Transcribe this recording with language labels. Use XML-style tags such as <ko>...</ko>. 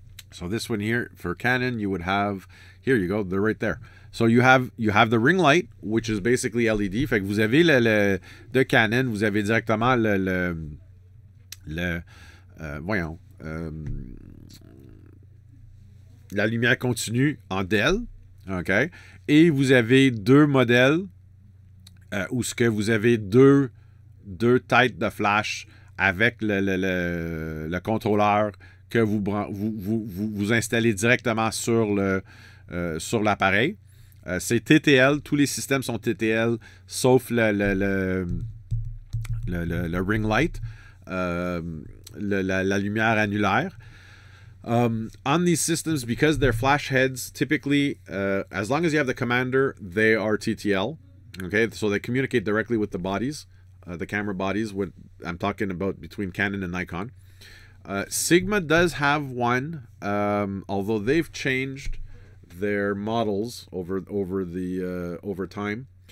<en>So this one here for Canon, you would have, here you go, they're right there. So you have the ring light, which is basically LED.</en> <fr>Fait que vous avez le de Canon, vous avez directement la lumière continue en DEL, OK? Et vous avez deux modèles où ce que vous avez deux têtes de flash avec le contrôleur que vous installez directement sur l'appareil. C'est TTL, tous les systèmes sont TTL, sauf le ring light, la lumière annulaire.</fr> <en>On these systems, because they're flash heads, typically, as long as you have the commander, they are TTL, okay? So they communicate directly with the bodies. The camera bodies, what I'm talking about between Canon and Nikon. Sigma does have one, although they've changed their models over time.</en>